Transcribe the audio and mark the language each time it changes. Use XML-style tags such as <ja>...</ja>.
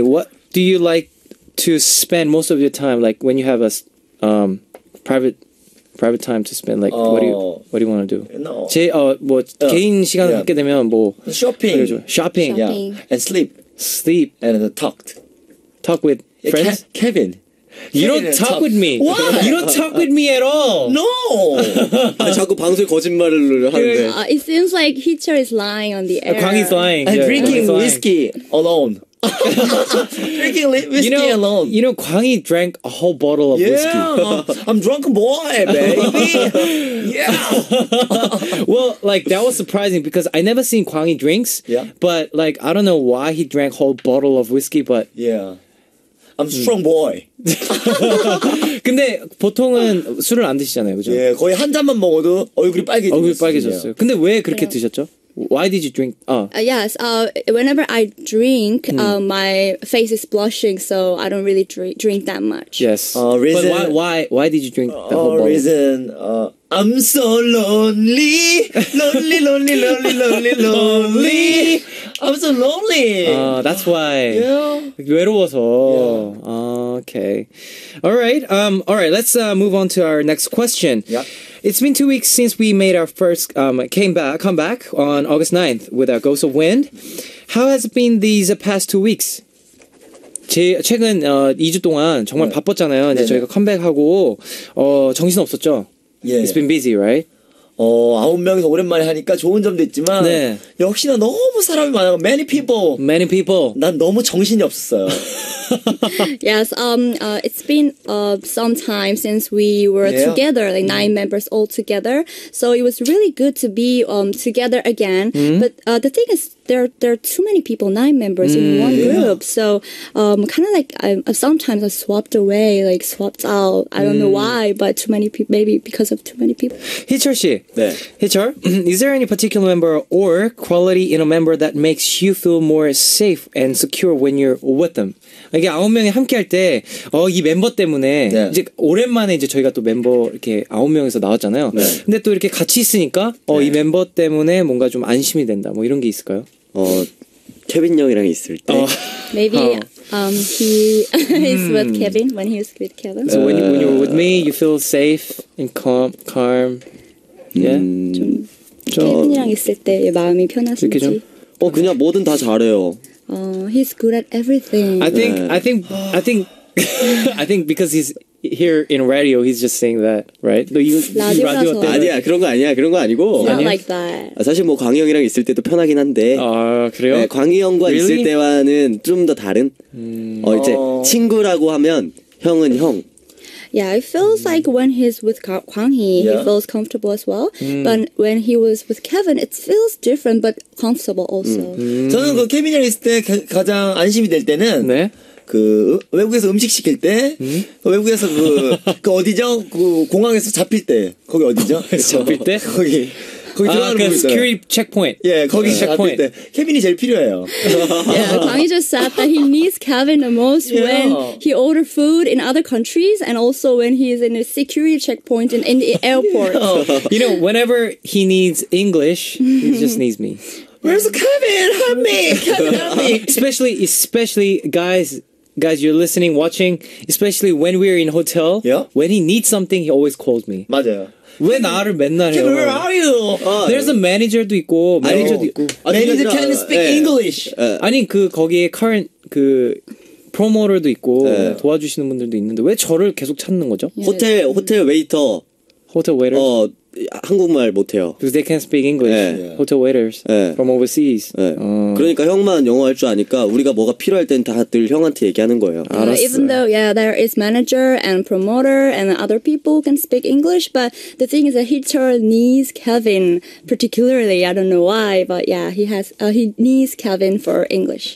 <en>What do you like to spend most of your time, like when you have a private time to spend? Like, what do you want to do? No.</en> <ko>제 뭐 개인 시간을 갖게 되면 뭐</ko> <en>shopping, yeah, and sleep, and talk with friends. Kevin. You don't talk with me. Why? You don't talk with me at all. No.</en> <ko>아, 자꾸 방송에 거짓말을 하는데.</ko> <en>It seems like Heecheol is lying on the air. Kwanghee's lying. I'm drinking whiskey alone. Drinking whiskey alone. You know, Kwanghee drank a whole bottle of whiskey. Yeah, I'm drunk boy, baby. Yeah. Well, like that was surprising because I never seen Kwanghee drinks. Yeah. But like, I don't know why he drank whole bottle of whiskey, but yeah. I'm strong boy.</en> <ko>근데 보통은 술을 안 드시잖아요, 그죠? 예, 거의 한 잔만 먹어도 얼굴이 빨개지죠. 얼굴 빨개졌어요. 근데 왜 그렇게 yeah. 드셨죠?</ko> <en>Why did you drink? Yes. Whenever I drink, my face is blushing, so I don't really drink that much. Yes. Reason. But why did you drink the whole bottle? Reason. I'm so lonely. Lonely, lonely, lonely, lonely, lonely. I'm so lonely. That's why. Yeah.</en> <ko>외로워서.</ko> <en>Yeah. Okay. All right. All right. Let's move on to our next question. Yeah. It's been 2 weeks since we made our first comeback on August 9th with our Ghost of Wind. How has it been these past 2 weeks?</en> <ko>최근 2주 동안 정말 네. 바빴잖아요. 이제 네네. 저희가 컴백하고 정신 없었죠.</ko> <en>Yeah. It's been busy, right?</en> <ko>아홉 명이서 오랜만에 하니까 좋은 점도 있지만 네. 역시나 너무 사람이 많아요.</ko> <en>Many people. Many people.</en> <ko>난 너무 정신이 없었어요.</ko> <en>Yes, it's been some time since we were yeah. together, like mm. nine members all together. So it was really good to be together again. Mm. But the thing is, there are too many people, nine members mm. in one yeah. group. So kind of like sometimes I swapped away, like swapped out. I don't know why, but too many people, maybe because of too many people.</en> <ko>Heecheol 씨, 네.</ko> <en>Heecheol, is there any particular member or quality in a member that makes you feel more safe and secure when you're with them?</en> <ko>이게 아홉 명이 함께할 때 이 멤버 때문에 네. 이제 오랜만에 이제 저희가 또 멤버 이렇게 아홉 명에서 나왔잖아요. 네. 근데 또 이렇게 같이 있으니까 네. 이 멤버 때문에 뭔가 좀 안심이 된다. 뭐 이런 게 있을까요? 케빈 형이랑 있을 때.</ko> <en>Maybe he is with Kevin when he is with Kevin. So when you're with me, you feel safe and calm. Yeah.</en> <ko>좀 케빈이랑 있을 때 마음이 편하신지. 그냥 뭐든 다 잘해요.</ko> <en>He's good at everything. I think because he's here in radio, he's just saying that, right?</en> <ko>라디오 때 아니야 그런 거 아니야 그런 거 아니고.</ko> <en>It's not like that.</en> <ko>사실 뭐 광희 형이랑 있을 때도 편하긴 한데. 아 그래요? 네, 광희 형과</ko> <en>really?</en> <ko>있을 때와는 좀 더 다른. 이제 친구라고 하면 형은 형.</ko> <en>Yeah, it feels like when he's with Kwanghee, yeah. he feels comfortable as well. But when he was with Kevin, it feels different but comfortable also.</en> <ko>저는 그 케빈이랑 있을 때 가장 안심이 될 때는 네? 그 외국에서 음식 시킬 때 외국에서 그 어디죠? 그 공항에서 잡힐 때 거기 어디죠? 잡힐 때? 거기 들어가는 거 있어요.</ko> <en>Security checkpoint.</en> <ko>예, 거기 잡힐 때 케빈이 제일 필요해요.</ko> <en>Yeah, Kwanghee just said that he needs Kevin the most yeah. when he order food in other countries and also when he is in a security checkpoint in the airport. Yeah. You know, whenever he needs English, he just needs me. Where's Kevin? Help me! especially guys, you're listening, watching. Especially when we're in hotel. Yeah. When he needs something, he always calls me.</en> <ko>맞아요. 왜 나를 맨날 해요?</ko> <en>Where are you? There's a</en> <ko>manager도 있고, 매니저도 있고.</ko> <en>Manager can speak English.</en> <ko>아니 그 거기에 current 그 promoter도 있고 도와주시는 분들도 있는데 왜 저를 계속 찾는 거죠? 호텔 웨이터. 호텔 웨이터. 한국말 못해요.</ko> <en>Because they can't speak English. 네. Hotel waiters 네. from overseas. 네.</en> <ko>그러니까 형만 영어 할 줄 아니까 우리가 뭐가 필요할 땐 다들 형한테 얘기하는 거예요. 알았어요.</ko> <en>Even though yeah, there is manager and promoter and other people can speak English, but the thing is that Heecheol needs Kevin particularly. I don't know why, but yeah, he needs Kevin for English.</en>